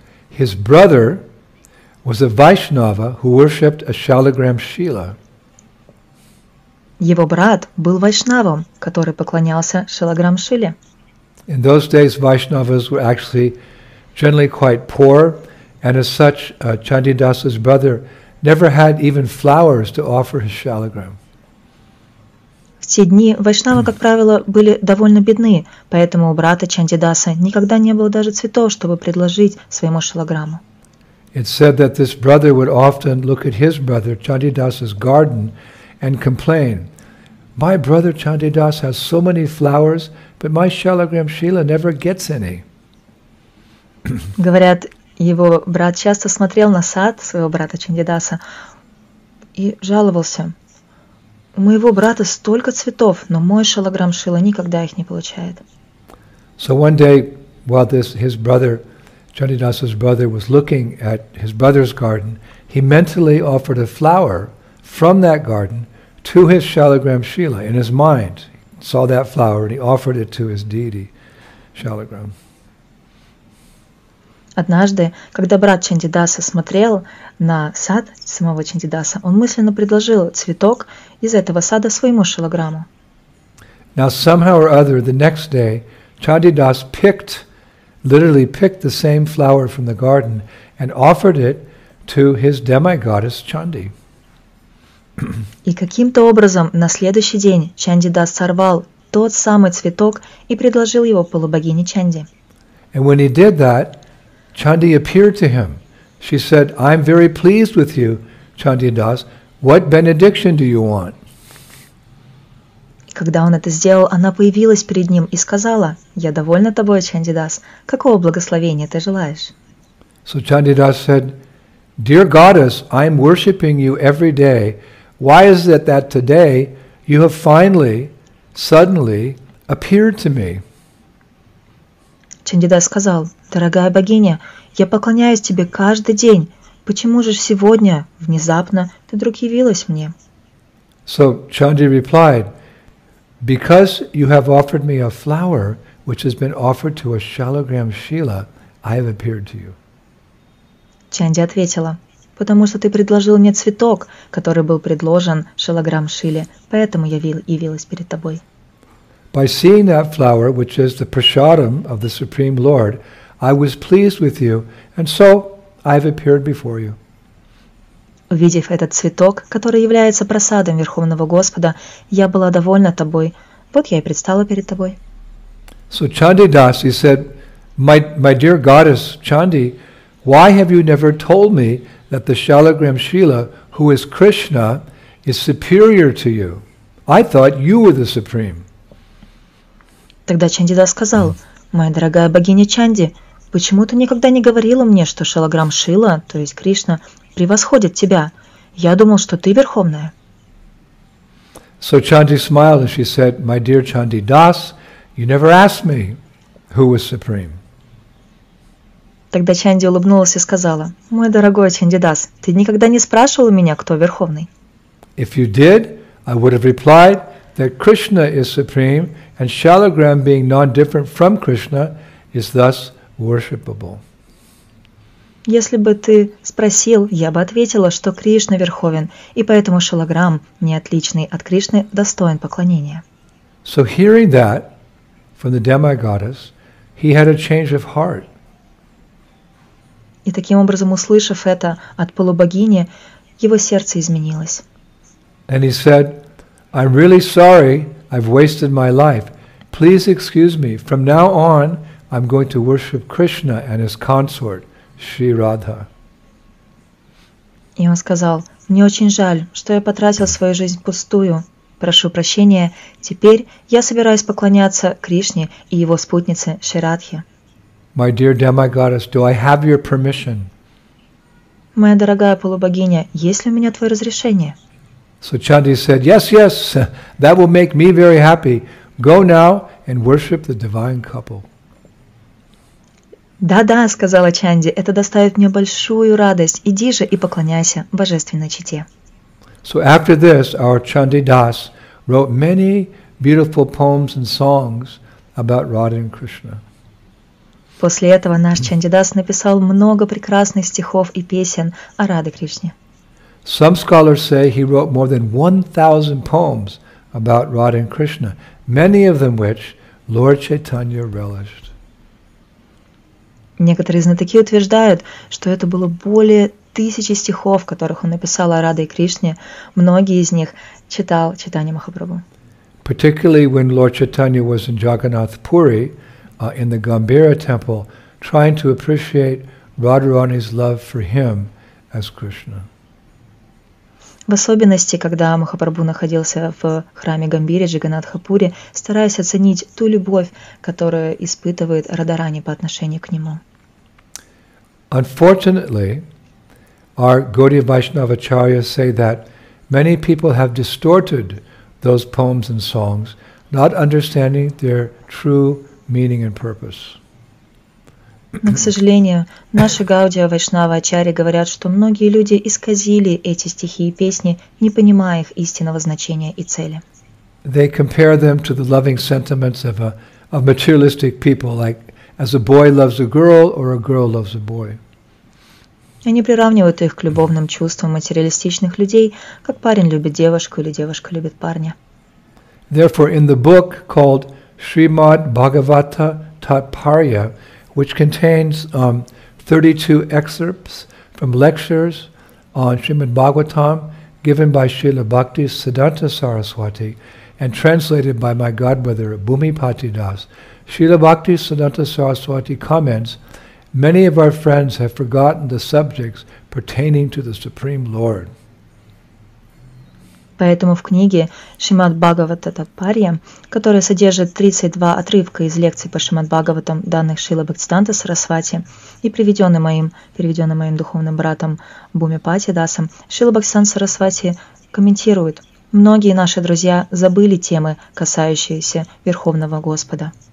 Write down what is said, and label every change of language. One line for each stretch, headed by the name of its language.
English: His brother was a Vaishnava who worshipped a Shalagram Shila.
Russian: Его брат был Вайшнавом, который поклонялся Шалаграм Шиле.
English: In those days, Vaishnavas were actually generally quite poor, and as such, Chandidas's brother never had even flowers to offer his Shalagram.
Russian: В те дни Вайшнавы, как правило, были довольно бедны, поэтому у брата Чандидаса никогда не было даже цветов, чтобы предложить своему Шалаграму.
English: It said that this brother would often look at his brother Chandidas's garden and complain, "My brother Chandidas has so many flowers, but my Shalagram Shila never gets any."
Russian: Говорят, его брат часто смотрел на сад своего брата Чандидаса и жаловался: "У моего брата столько цветов, но мой Шалаграм Шила никогда их не получает."
English: So one day, while his brother Chandidas's brother was looking at his brother's garden, he mentally offered a flower from that garden to his Shalagram Shila. In his mind, he saw that flower and he offered it to his deity, Shalagram.
Russian: Однажды, когда брат Чандидаса смотрел на сад самого Чандидаса, он мысленно предложил цветок из этого сада своему Шалаграму.
English: Now, somehow or other, the next day, Chandidas literally picked the same flower from the garden and offered it to his demigoddess Chandi.
Russian: И каким-то образом на следующий день Чандидас сорвал тот самый цветок и предложил его полубогине Чанди.
English: And when he did that, Chandi appeared to him. She said, "I'm very pleased with you, Chandidas. What benediction do you want?"
Russian: Когда он это сделал, она появилась перед ним и сказала: "Я довольна тобой, Чандидас. Какого благословения ты желаешь?"
English: So Chandidas said, "Dear goddess, I'm worshipping you every day. Why is it that today you have finally, suddenly appeared to me?"
Russian: Чандидас сказал: "Дорогая богиня, я поклоняюсь тебе каждый день. Почему же сегодня, внезапно, ты вдруг явилась мне?
English: So Chandi replied, because you have offered me a flower which has been offered to a Shalagram Shila, I have appeared to you.
Russian: Чанди ответила, потому что ты предложил мне цветок, который был предложен Шалаграм Шиле, поэтому я явилась перед тобой.
English: By seeing that flower, which is the prasadam of the Supreme Lord, I was pleased with you, and so I have appeared before you.
Russian: Увидев этот цветок, который является просадом Верховного Господа, я была довольна тобой, вот я и предстала перед тобой.
English: So Chandi Das, he said, my dear goddess Chandi, why have you never told me that the Shalagram Shila, who is Krishna, is superior to you? I thought you were the Supreme.
Russian: Тогда Чанди Дас сказал, моя дорогая богиня Чанди, почему ты никогда не говорила мне, что Шалаграм Шила, то есть Кришна, превосходит тебя? Я думал, что ты верховная.
English: So Chandi smiled and she said, my dear Chandi Das, you never asked me who was supreme.
Russian: Тогда Чанди улыбнулась и сказала, мой дорогой Чанди Дас, ты никогда не спрашивал меня, кто верховный?
English: If you did, I would have replied that Krishna is supreme, and Shalagram, being non-different from Krishna, is thus worshipable.
Russian: Если бы ты спросил, я бы ответила, что Кришна верховен, и поэтому Шалаграм, не отличный от Кришны, достоин поклонения.
English: So hearing that from the demigoddess, he had a change of heart.
Russian: И таким образом, услышав это от полубогини, его сердце изменилось.
English: And he said, I'm really sorry, I've wasted my life. Please excuse me. From now on, I'm going to worship Krishna and his consort, Shri Radha.
Russian: И он сказал, мне очень жаль, что я потратил свою жизнь впустую. Прошу прощения, теперь я собираюсь поклоняться Кришне и его спутнице Шри Радхе.
English: My dear demigoddess, do I have your permission?
Russian: Моя дорогая полубогиня, есть ли у меня твое разрешение?
English: So Chandi said, yes, yes, that will make me very happy. Go now and worship the divine couple.
Russian: Да-да, сказала Чанди, это доставит мне большую радость. Иди же и поклоняйся божественной чете.
English: So after this, our Chandi Das wrote many beautiful poems and songs about Radha and Krishna.
Russian: После этого наш Чанди Дас написал много прекрасных стихов и песен о Раде Кришне.
English: Some scholars say he wrote more than 1,000 poems about Radha and Krishna, many of them which Lord Chaitanya relished.
Russian: Некоторые знатоки утверждают, что это было более 1,000 стихов, которых он написал о Раде и Кришне, многие из них читал Чайтанья Махапрабху.
English: Particularly when Lord Chaitanya was in Jagannath Puri, in the Gambira temple, trying to appreciate Radharani's love for him as Krishna.
Russian: В особенности, когда Махапрабху находился в храме Гамбири, Джаганатхапури, стараясь оценить ту любовь, которую испытывает Радарани по отношению к нему.
English: Unfortunately, our Gaudiya Vaishnavacharyas say that many people have distorted those poems and songs, not understanding their true meaning and purpose.
Russian: Но, к сожалению, наши Гаудия Вайшнава Ачарьи говорят, что многие люди исказили эти стихи и песни, не понимая их истинного значения и цели.
English: They compare them to the loving sentiments of materialistic people, like as a boy loves a girl or a girl loves a boy.
Russian: Они приравнивают их к любовным чувствам материалистичных людей, как парень любит девушку или девушка любит парня.
English: Therefore, in the book called Srimad Bhagavata Tatparya, which contains 32 excerpts from lectures on Srimad Bhagavatam given by Srila Bhakti Siddhanta Saraswati and translated by my godbrother Bhumipati Das, Srila Bhakti Siddhanta Saraswati comments, many of our friends have forgotten the subjects pertaining to the Supreme Lord.
Russian: Поэтому в книге Шримад Бхагавата Татпарья, которая содержит 32 отрывка из лекций по Шримад Бхагаватам, данных Шрила Бхактисиддханта Сарасвати и приведенный моим духовным братом Бхумипати Дасом, Шрила Бхактисиддханта Сарасвати комментирует, многие наши друзья забыли темы, касающиеся Верховного Господа.